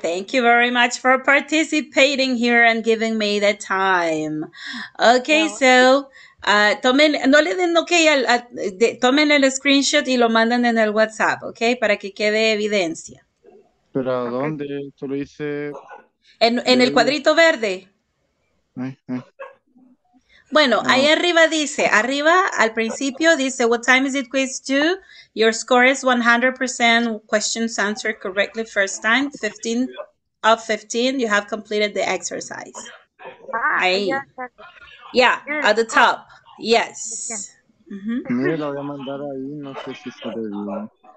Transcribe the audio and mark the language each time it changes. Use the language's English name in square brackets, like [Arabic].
[English] Thank you very much for participating here and giving me the time. Okay, no. So... [Spanish] tomen el screenshot y lo mandan en el WhatsApp, ¿ok? Para que quede evidencia. ¿Pero okay. Dónde? ¿Esto lo hice? En el cuadrito verde. Bueno, no. Ahí arriba dice, arriba al principio dice, [English] what time is it quiz 2? Your score is 100% questions answered correctly first time, 15 of 15, you have completed the exercise. [Spanish] Ah, ahí. [English] Yeah, at the top. Yes. [Spanish] Mira, lo voy a mandar ahí, no sé si se ve bien.